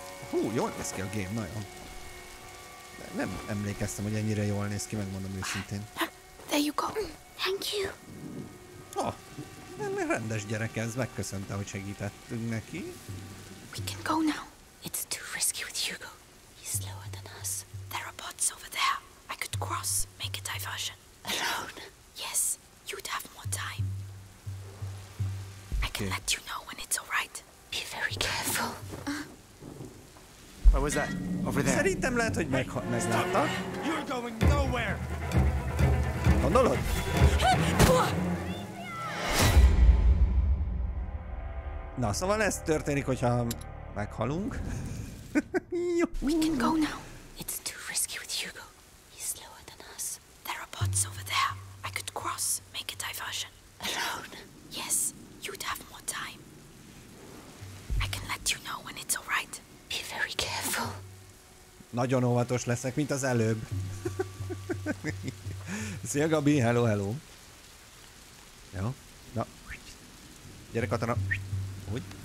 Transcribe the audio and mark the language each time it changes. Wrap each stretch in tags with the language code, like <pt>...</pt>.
<hu>Hú, jól néz ki a game, nagyon. De nem emlékeztem, hogy ennyire jól néz ki, megmondom őszintén.</hu> <en>There you go. Thank you. Ha.</en> <hu>Rendes gyerek ez, megköszönte, hogy segítettünk neki.</hu> <en>We can go now. It's too risky with Hugo. He's slower than us. There are bots over there. I could cross, make a diversion. Alone? Yes, you'd have more time. I can let you know when it's alright. Be very careful. What was that? Over there.</en> <hu>Szerintem lehet, hogy megláttak.</hu> <en>You're going nowhere!</en> <hu>Gondolod? Na, szóval ez történik, hogyha meghalunk.</hu> <en>We can go now. It's too risky with Hugo. He's slower than us. There are bots over there. I could cross, make a diversion. Alone? Yes, you'd have more time. I can let you know when it's alright. Be very careful.</en> <hu>Nagyon óvatos leszek, mint az előbb. Szia, Gabi. Hello, hello. Jó. Na. Gyere, Katana. Hogy?</hu>